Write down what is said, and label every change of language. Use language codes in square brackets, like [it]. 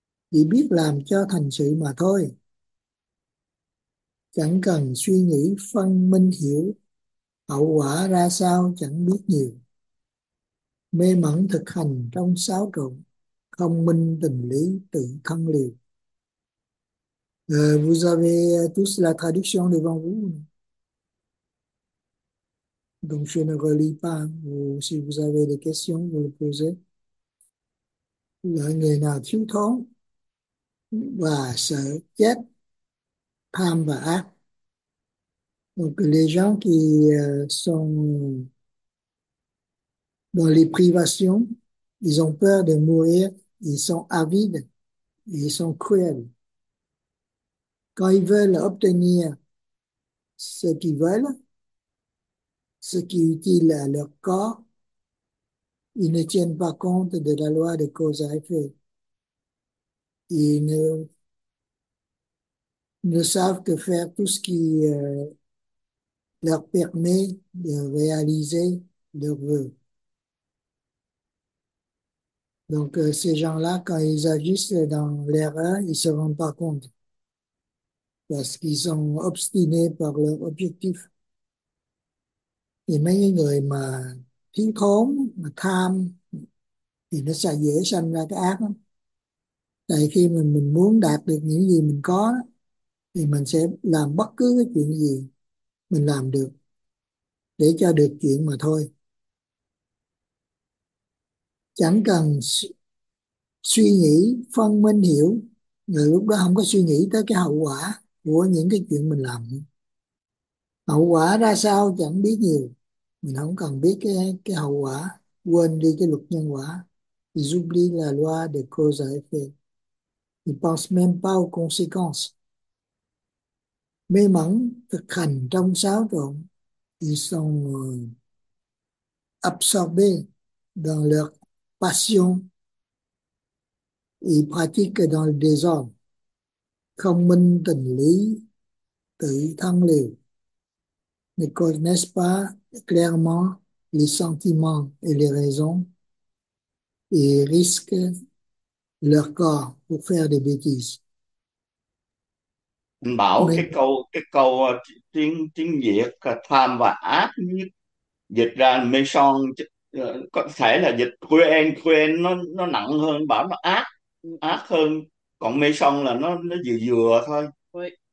[vi] Chỉ biết làm cho thành sự mà thôi. Chẳng cần suy nghĩ phân minh hiểu hậu quả ra sao, chẳng biết nhiều. Mê mẩn thực hành trong xáo trộn, không minh tình lý tự thân liều. [fr] Vous avez tous la traduction devant vous. Donc je ne relis pas. Si vous avez des questions, vous les posez. [vi] Loại người nào thiếu thốn và sợ chết, tham và ác. [fr] Donc les gens qui sont dans les privations, ils ont peur de mourir, ils sont avides, ils sont cruels. Quand ils veulent obtenir ce qu'ils veulent, ce qui est utile à leur corps, ils ne tiennent pas compte de la loi de cause à effet. Ils ne savent que faire tout ce qui leur permet de réaliser leurs vœux. Donc ces gens-là, quand ils agissent dans l'erreur, ils ne se rendent pas compte. Parce qu'ils sont obstinés par leur objectif. [vi] Et mấy người mà thiếu thốn, mà tham, thì nó sẽ dễ sanh ra cái ác lắm. Tại khi mình muốn đạt được những gì mình có thì mình sẽ làm bất cứ cái chuyện gì mình làm được để cho được chuyện mà thôi. Chẳng cần suy nghĩ, phân minh hiểu, rồi lúc đó không có suy nghĩ tới cái hậu quả của những cái chuyện mình làm. Hậu quả ra sao chẳng biết nhiều, mình không cần biết cái hậu quả, quên đi cái luật nhân quả. [fr] J'oublie la loi de cause à effet. Il pense même pas aux conséquences. [vi] Mê mẩn thực hành trong xáo trộn, [fr] ils sont absorbés dans leur passion, ils pratiquent dans le désordre. [vi] Không minh tình lý, tự thân liều. [fr] Ne connaissent pas clairement les sentiments et les raisons. Ils risquent leur corps pour faire des bêtises. [vi] Anh bảo [fr] Mais... [vi] cái câu tiếng tiếng Việt tham và ác nhất dịch ra mê son, có thể là dịch quen quen nó nặng hơn, bảo nó ác ác hơn, còn mê son là nó vừa vừa thôi.